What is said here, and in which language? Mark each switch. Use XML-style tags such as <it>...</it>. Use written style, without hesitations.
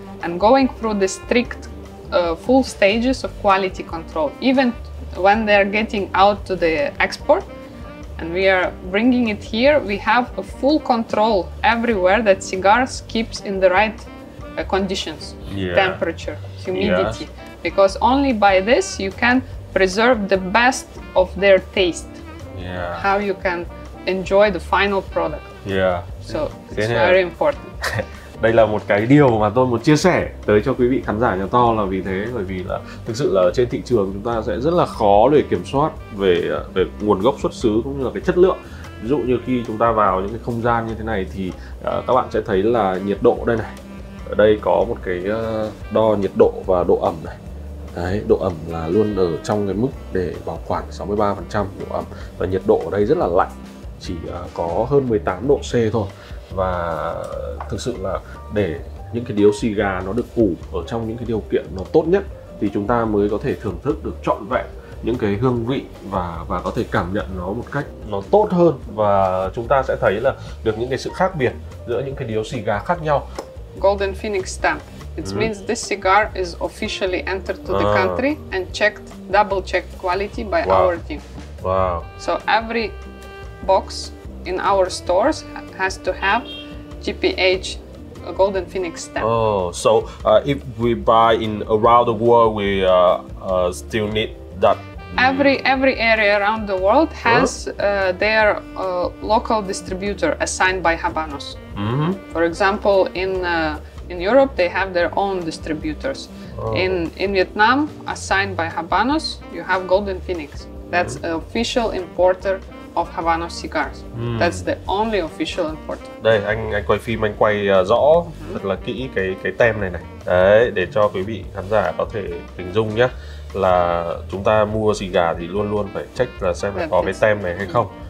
<en>And going through the strict full stages of quality control, even when they are getting out to the export and we are bringing it here, we have a full control everywhere that cigars keeps in the right conditions, temperature, humidity, because only by this you can preserve the best of their taste, how you can enjoy the final product. So it's very important.</en> <vi>Đây là một cái điều mà tôi muốn chia sẻ tới cho quý vị khán giả nhà to là vì thế, bởi vì là thực sự là trên thị trường chúng ta sẽ rất là khó để kiểm soát về nguồn gốc xuất xứ cũng như là cái chất lượng. Ví dụ như khi chúng ta vào những cái không gian như thế này thì các bạn sẽ thấy là nhiệt độ đây này. Ở đây có một cái đo nhiệt độ và độ ẩm này. Đấy, độ ẩm là luôn ở trong cái mức để bảo quản 63% độ ẩm. Và nhiệt độ ở đây rất là lạnh, chỉ có hơn 18 độ C thôi. Và thực sự là để những cái điếu xì gà nó được ủ ở trong những cái điều kiện nó tốt nhất thì chúng ta mới có thể thưởng thức được trọn vẹn những cái hương vị và có thể cảm nhận nó một cách nó tốt hơn. Và chúng ta sẽ thấy là được những cái sự khác biệt giữa những cái điếu xì gà khác nhau.</vi> <en>Golden Phoenix stamp. It means this cigar is officially entered to the country and checked, double checked quality by our team. Wow. So every box in our stores has to have GPH, a Golden Phoenix stamp. Oh, so if we buy in around the world, we still need that. Every area around the world has their local distributor assigned by Habanos. Mm-hmm. For example, in Europe, they have their own distributors. Oh. In Vietnam, assigned by Habanos, you have Golden Phoenix. That's an official importer of Havana cigars. That's the only official import.</en> <vi>Đây anh quay phim anh quay rõ thật là kỹ cái tem này này. Đấy để cho quý vị khán giả có thể hình dung nhá là chúng ta mua xì gà thì luôn luôn phải check là xem là có cái tem này hay không.</vi>